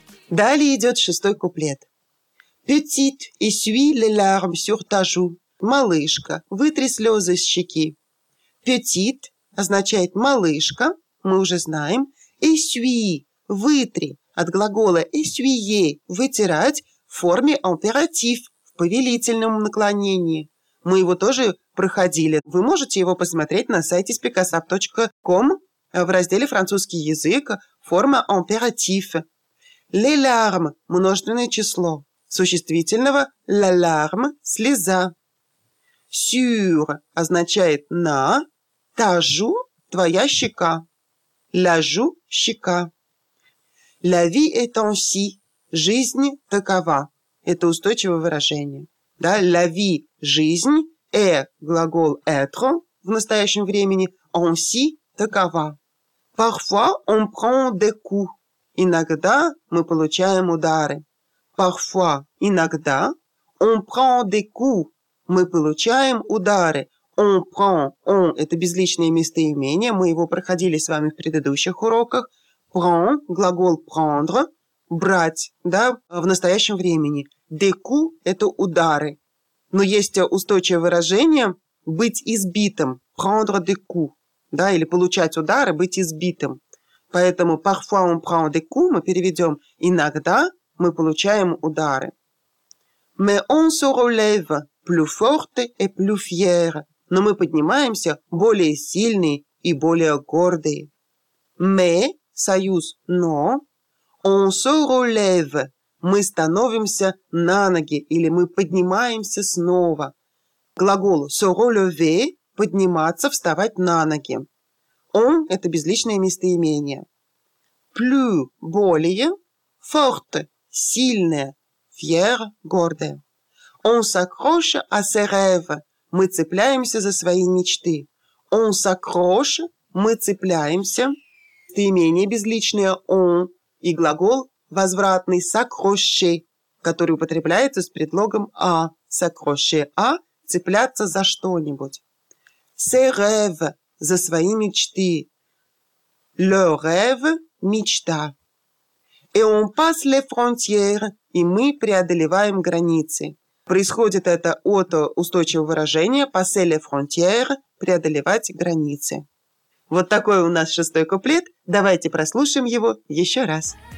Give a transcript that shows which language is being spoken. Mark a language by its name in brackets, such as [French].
[Russian] Далее идет шестой куплет. [French] Petite, essuie les larmes sur ta joue. [Russian] Малышка, вытри слезы с щеки. Petite означает малышка, мы уже знаем. Essuie, вытри, от глагола essuyer, вытирать, в форме императив, в повелительном наклонении. Мы его тоже проходили. Вы можете его посмотреть на сайте spicasap.com в разделе «Французский язык», форма императив. Les larmes – множественное число. Существительного – la larme – слеза. Sur – означает на. [French] Ta joue [Russian] – твоя щека. [French] La joue – [Russian] щека. [French] La vie est ainsi – [Russian] жизнь такова. Это устойчивое выражение. Да? [French] La vie – жизнь. [Russian] Est – глагол être в настоящем времени. Ainsi – такова. [French] Parfois on prend des coups. [Russian] Иногда мы получаем удары. Parfois, иногда. [French] On prend des coups. [Russian] Мы получаем удары. On prend, on – это безличное местоимение. Мы его проходили с вами в предыдущих уроках. [French] Prend – глагол prendre. [Russian] Брать, да, в настоящем времени. [French] Des coups [Russian] – это удары. Но есть устойчивое выражение «быть избитым». [French] Prendre des coups. [Russian] Да, или получать удары, быть избитым. Поэтому [French] «parfois on prend des coups» [Russian] мы переведем «иногда мы получаем удары». [French] «Mais on se relève plus forte et plus fière». [Russian] Но мы поднимаемся более сильные и более гордые. «Mais» – союз «но». [French] «On se relève» [Russian] – мы становимся на ноги или мы поднимаемся снова. Глагол «se relever» – подниматься, вставать на ноги. Он – это безличное местоимение. Plus – более, forte – сильное, fier – гордое. [French] On s'accroche à ses rêves – [Russian] мы цепляемся за свои мечты. On s'accroche – мы цепляемся. Местоимение безличное «он» и глагол возвратный «s'accrocher», который употребляется с предлогом «а». «S'accrocher» – «а» – цепляться за что-нибудь. «Ses rêves» – за свои мечты. [French] Le rêve – мечта. Et on passe les frontières – [Russian] и мы преодолеваем границы. Происходит это от устойчивого выражения [French] «passer les frontières» [Russian] – преодолевать границы. Вот такой у нас шестой куплет. Давайте прослушаем его еще раз.